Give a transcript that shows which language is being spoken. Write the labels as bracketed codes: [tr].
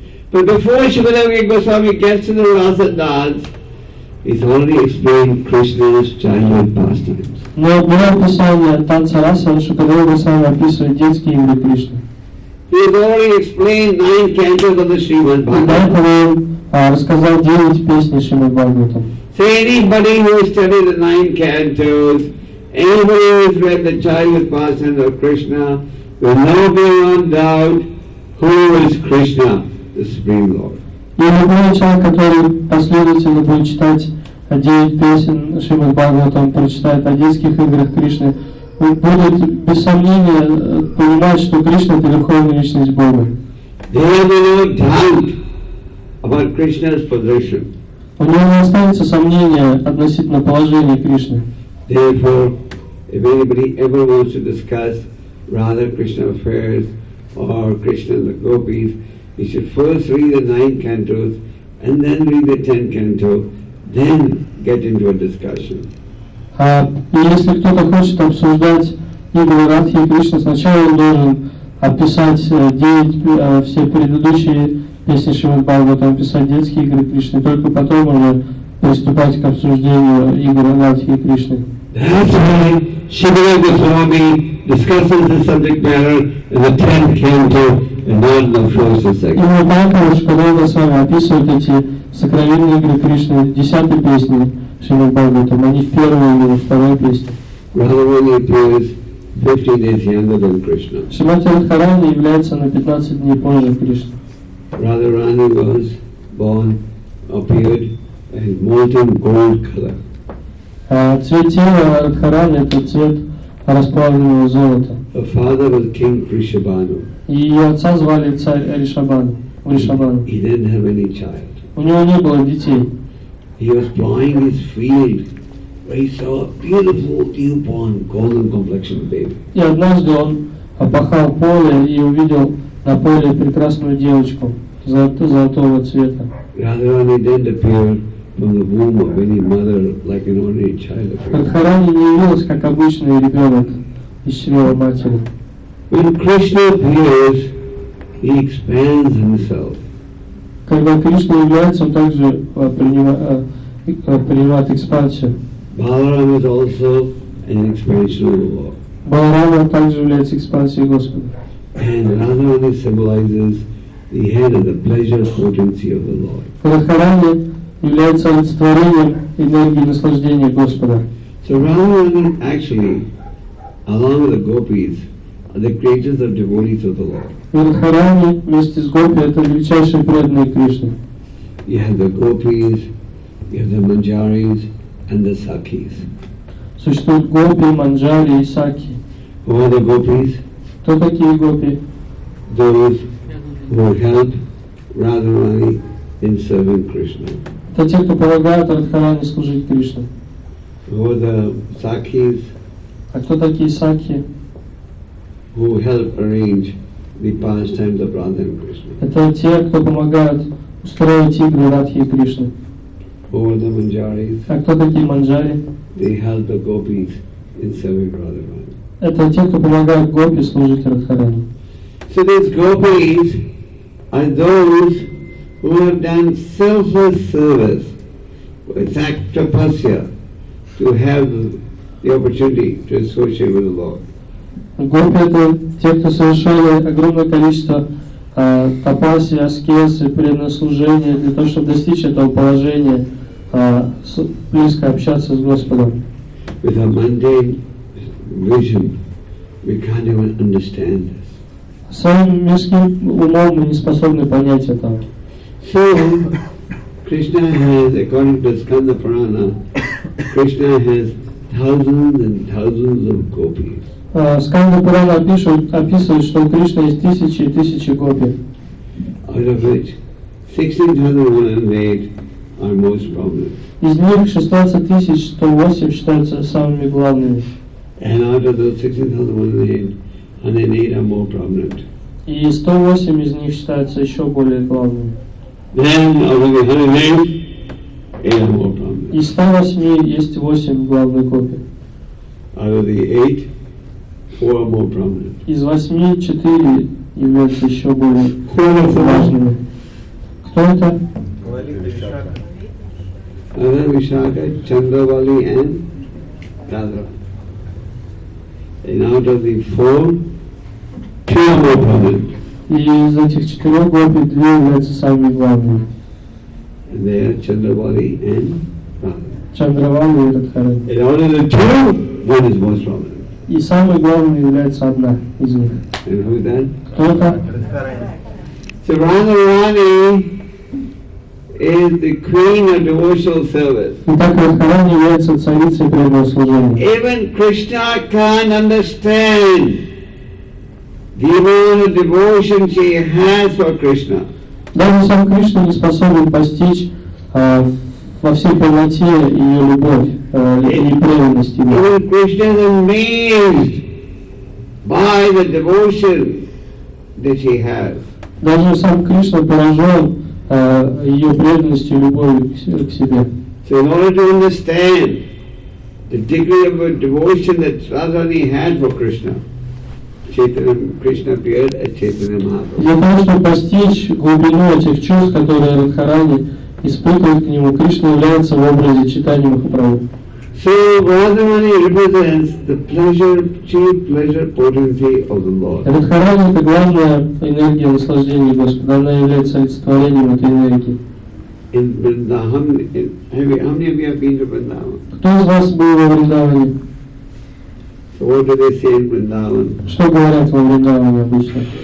[en] But before Shivadevi Goswami gets to the Rasa dance, he's already explained Krishna's childhood pastimes. [ru] Но было описание танца Раса, Шукадева Госвами описывает детские игры Кришны. [en] He has already explained 9 cantos of the Srimad Bhagavatam. [ru] Рассказал 9 песен Шримад Бхагаватам. [en] So anybody who has studied the 9 cantos, anybody who has read the childhood pastimes of Krishna, will never be in doubt who is Krishna, the Supreme Lord. [ru] И любой человек, который последовательно будет читать 9 песен Шримад Бхагаватам, прочитает о детских играх Кришны, будет без сомнения понимать, что Кришна — это Верховная Личность Бога. [en] There will be no doubt about Krishna's position. [ru] У него не останется сомнения относительно положения Кришны. [en] Therefore, if anybody ever wants to discuss Radha Krishna affairs or Krishna and the gopis, you should first read the 9 cantos and then read the 10 canto, then get into a discussion. [ru] И если кто-то хочет обсуждать игры Радхи и Кришны, сначала он должен описать 9 все предыдущие песни Шримад Бхагаватам, описать детские игры Кришны, только потом уже приступать к обсуждению игр Радхи и Кришны. [en] That's why Shivadeva Goswami discusses the subject matter in the 10th canto and not in the first and second. [ru] Именно поэтому Шукадева Госвами описывает эти сокровенные игры Кришны в 10-й песне Шримад Бхагаватам, а не в первой или во второй песне. [en] Radharani appears 50 days younger than Krishna. [ru] Шримати Радхарани является на 15 дней позже Кришны. [en] Radharani was born, appeared in molten gold color. [ru] Цвет тела Радхарани — это цвет расплавленного золота. [en] Her father was King Vrishabhanu. [ru] Ее отца звали царь Ришабану. [en] Vrishabhanu. He didn't have any child. [ru] У него не было детей. [en] He was plowing his field where he saw a beautiful newborn golden complexion baby. [ru] И однажды он опахал поле и увидел на поле прекрасную девочку золотого цвета. [en] Radharani didn't appear from the womb of any mother like an ordinary child. [ru] Радхарани не явилась как обычный ребенок из чрева матери. [en] When Krishna appears, he expands himself. [ru] Когда Кришна является, он также принимает экспансию. [en] Balarам is also an expansion of the Lord. [ru] Баларама также является экспансией Господа. [en] And Radharani symbolizes the head of the pleasure potency of the Lord. [ru] Радхарани является олицетворением энергии наслаждения Господа. [en] So Radharani actually, along with the gopis, are the creators of devotees of the Lord. [ru] Радхарани вместе с гопи это величайшие преданные Кришны. [en] You have the gopis, you have the manjaris, and the sakis. [ru] Существуют гопи, манджари и саки. [en] Who are the gopis? [ru] Кто такие гопи? [en] Those who help Radharani in serving Krishna. [ru] Это те, кто помогают Радхарани служить Кришне. [en] Who are the sakis? [ru] А кто такие саки? [en] Who help arrange the pastimes of Radha and Krishna. [ru] Это те, кто помогают устроить игры Радхи и Кришны. [en] Who are the manjaris? [ru] А кто такие манджари? [en] They help the gopis in serving Radharani. [ru] Это те, кто помогает гопи служить Радхарани. [en] So these gopis are those who have done selfless service, it's act of tapasya, to have the opportunity to associate with the Lord. [ru] Гопи – это те, кто совершали огромное количество тапаси, аскезы, преднослужения для того, чтобы достичь этого положения, близко общаться с Господом. [en] With a mundane vision, we can't even understand this. [ru] Самым мирским умом мы не способны понять это. [en] So, Krishna has, according to Skanda Purana, Krishna has thousands and thousands of gopis. [ru] Skanda Purana описывает, что у Кришны есть тысячи и тысячи гопи. [en] Out of which, 16,108 are most prominent. [ru] Из них 16,108 считаются самыми главными. [en] And out of those 16,108 are more prominent. [ru] И 108 из них считаются еще более главными. [en] Then, out of the 108, 8 are more prominent. [ru] Из 108 есть 8 главных копий. [en] Out of the 8, 4 are more prominent. [ru] Из 8, 4 являются еще более важными. Кто это? Вали Вишака. Вишака, Чандравали и Кадра. [en] And out of the 4, [ru] и из этих четырех гопи две являются самыми главными. [en] And they are Chandravali and Radha. [ru] Chandravali и Радхарани. [en] And out of the two, one is most prominent. [ru] И самой главной является одна из них. [en] And who is that? [ru] Кто это? Радхарани. [en] So Радхарани is the queen of devotional service. [ru] Итак, Радхарани является царицей преданного служения. [en] Even Krishna can't understand the amount of devotion she has for Krishna. [ru] Даже сам Кришна не способен постичь во всей полноте ее любовь и преданность ему. [en] Even Krishna is amazed by the devotion that she has. [ru] Даже сам Кришна поражен ее преданностью и любовью к себе. [en] So in order to understand the degree of devotion that Radharani had for Krishna, [ru] для того, чтобы постичь глубину этих чувств, которые Радхарани испытывает к нему, Кришна является в образе Чайтаньи Махапрабху. [en] So Radharani represents the pleasure, chief pleasure potency of the Lord. [ru] Радхарани это главная энергия наслаждения Господа, она является олицетворением этой энергии. [en] In Vrindavan, how many of you have been to Vrindavan? [ru] Кто из вас был во Вриндаване? [en] What do they say in Vrindavan? [ru] Что говорят во Вриндаване обычно?